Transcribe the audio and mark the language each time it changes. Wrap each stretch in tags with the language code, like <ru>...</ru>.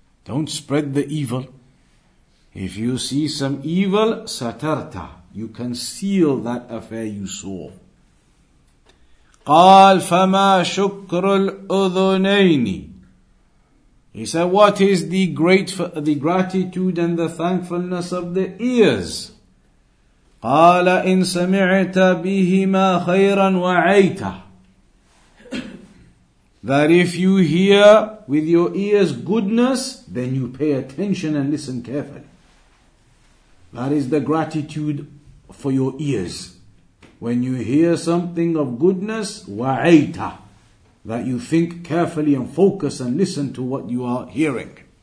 <en>Don't spread the evil. If you see some evil,</en> <ar>سَتَرْتَ.</ar> <en>You conceal that affair you saw.</en> <ar>قال فما شكر الأذنين.</ar> <en>He said, what is the gratitude and the thankfulness of the ears?</en> <ar>قال إن سمعت بهما خيرا وعيتا.</ar> <en>That if you hear with your ears goodness, then you pay attention and listen carefully. That is the gratitude for your ears. When you hear something of goodness,</en> <ar>wa'ayta,</ar> <en>that you think carefully and focus and listen to what you are hearing.</en>